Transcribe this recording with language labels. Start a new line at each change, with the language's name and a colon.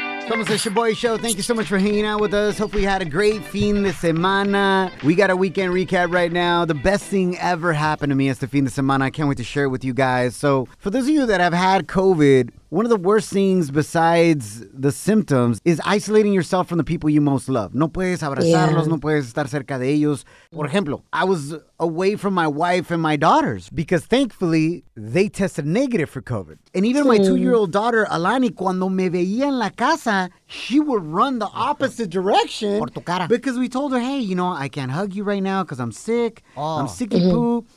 English: Welcome to the Shaboy Show. Thank you so much for hanging out with us. Hope we had a great
Spanish: fin de semana.
English: We got a weekend recap right now. The best thing ever happened to me is the
Spanish: fin de semana.
English: I can't wait to share it with you guys. So for those of you that have had COVID, one of the worst things besides the symptoms is isolating yourself from the people you most love.
Spanish: No puedes abrazarlos, no puedes estar cerca de ellos. Por ejemplo,
English: I was away from my wife and my daughters because thankfully they tested negative for COVID. And even my two-year-old daughter, Alani,
Spanish: cuando me veía en la casa,
English: she would run the opposite direction.
Spanish: Por tu cara.
English: Because we told her, hey, you know, I can't hug you right now because I'm sick. Oh. I'm sicky poo.